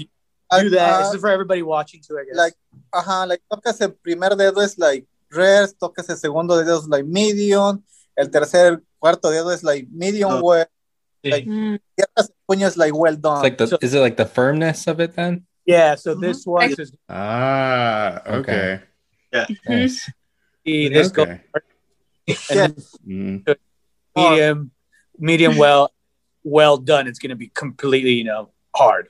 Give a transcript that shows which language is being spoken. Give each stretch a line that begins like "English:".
English: you do that, this is for everybody watching too, I guess.
Spanish: Like, like tocas el primer dedo es like rare, tocas el segundo dedo es like medium, el tercer cuarto dedo es like medium well.
English: Like, yeah. Mm-hmm. Puño is like well done. Like the, so, is it like the firmness of it then? Yeah, so mm-hmm. this one is. Okay. Yeah. Nice. Mm-hmm. This okay. Yeah. Mm-hmm. Medium, medium well, well done. It's going to be completely, you know, hard.